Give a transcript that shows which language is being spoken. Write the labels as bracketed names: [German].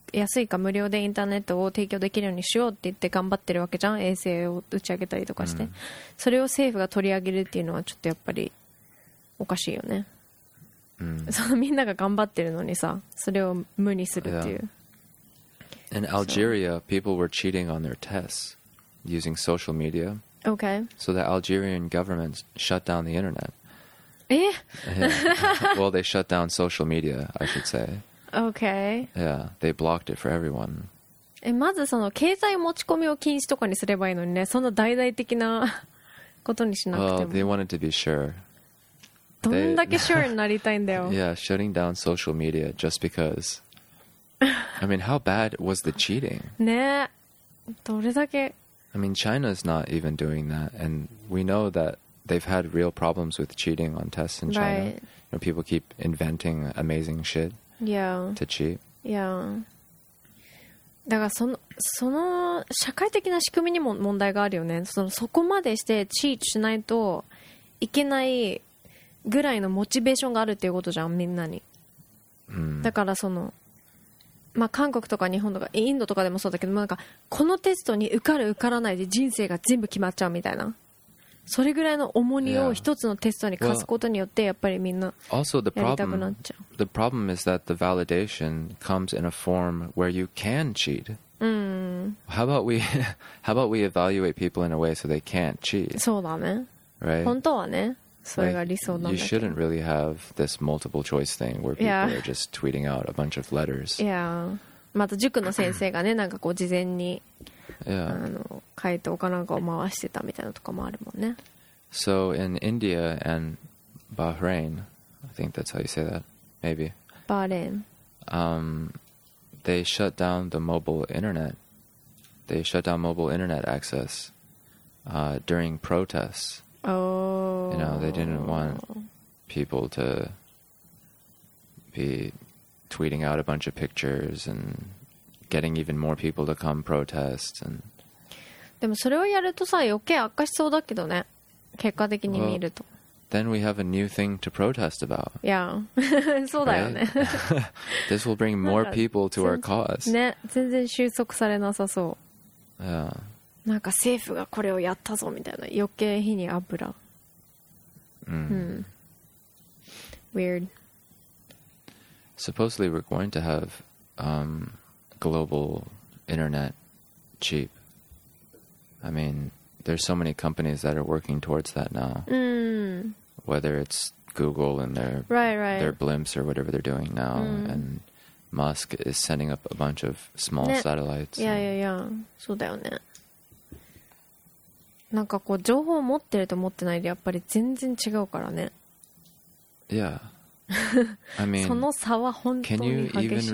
[Japanese] 安いか無料でインターネットを提供できるようにしようって言って頑張ってるわけじゃん、衛星を打ち上げたりとかして、うん、それを政府が取り上げるっていうのはちょっとやっぱりおかしいよね、うん、そのみんなが頑張ってるのにさ、それを無にするっていう、 [English] yeah. In Algeria, people were cheating on their tests using social media. Okay. So the Algerian government shut down the internet. Eh? Well, they shut down social media, I should say. Okay. Yeah, they blocked it for everyone. [Japanese] まずその経済持ち込みを禁止とかにすればいいのにね、そんな大々的なことにしなくても。 [English] Well, they wanted to be sure. [Japanese] どんだけ sure になりたいんだよ。 [English] Yeah, shutting down social media just because. I mean, how bad was the cheating? [Japanese] ね、どれだけ。 [English] I mean, China is not even doing that, and we know that they've had real problems with cheating on tests in China. You know, people keep inventing amazing shit. Yeah. To cheat. Yeah. [Japanese] だからその社会的な仕組みにも問題があるよね。そこまでしてチートしないといけないぐらいのモチベーションがあるっていうことじゃん、みんなに。 Mm. だからその。まあ、韓国とか日本とかインドとかでもそうだけど、なんかこのテストに受かる受からないで人生が全部決まっちゃうみたいな、それぐらいの重荷を一つのテストに課すことによってやっぱりみんなやりたくなっちゃう。 [English] Also, the problem is that the validation comes in a form where you can cheat. How about we evaluate people in a way so they can't cheat? [Japanese] そうだね、 [English] right? [Japanese] 本当はね、それが理想なんだけど。 [English] You shouldn't really have this multiple choice thing where people are just tweeting out a bunch of letters. Yeah. [Japanese] また塾の先生がね、なんかこう事前に、 [English] yeah. [Japanese] 回答かなんかを回してたみたいなとかもあるもんね。 [English] So in India and Bahrain, I think that's how you say that, maybe. Bahrain. They shut down the mobile internet. They shut down mobile internet access during protests. You know, they didn't want people to be tweeting out a bunch of pictures and getting even more people to come protest. And [Japanese] でもそれをやるとさ、余計悪化しそうだけどね、結果的に見ると。 [English] Well, then we have a new thing to protest about. Yeah, [Japanese] そうだよね。 [English] This will bring more people to our cause. [Japanese] ね、全然収束されなさそう。 [English] Yeah. [Japanese] なんか政府がこれをやったぞみたいな、余計火に油。うん。 [English] Weird. Supposedly we're going to have global internet cheap. I mean, there's so many companies that are working towards that now. Whether it's Google and their their blimps or whatever they're doing now, and Musk is sending up a bunch of small satellites. Yeah, yeah, yeah. [Japanese] そうだよね。なんかこう情報を持ってると思ってないでやっぱり全然違うからね。 [English] Yeah. I mean, [Japanese] その差は本当に激しい。